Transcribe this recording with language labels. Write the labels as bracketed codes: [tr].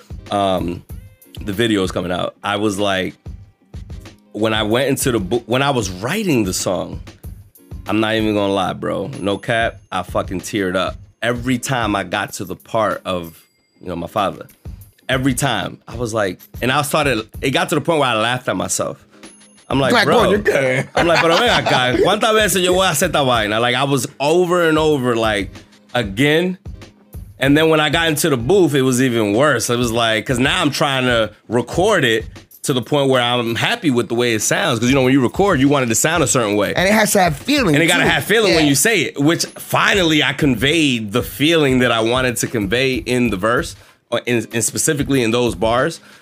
[en] The video is coming out. I was like, when I went into the book, when I was writing the song, I'm not even going to lie, bro. No cap, I fucking teared up. Every time I got to the part of, you know, my father, every time I was like, and I started, it got to the point where I laughed at myself. I'm like, bro, I'm like, [es] pero venga acá, ¿cuántas veces yo voy a hacer esta vaina? [en] Like, I was over and over, like, again. And then when I got into the booth, it was even worse. It was like, because now I'm trying to record it to the point where I'm happy with the way it sounds. Because, you know, when you record, you want it to sound a certain way. And it has to have feeling, and it got to have feeling when you say it, which finally I conveyed the feeling that I wanted to convey in the verse, or in specifically in those bars.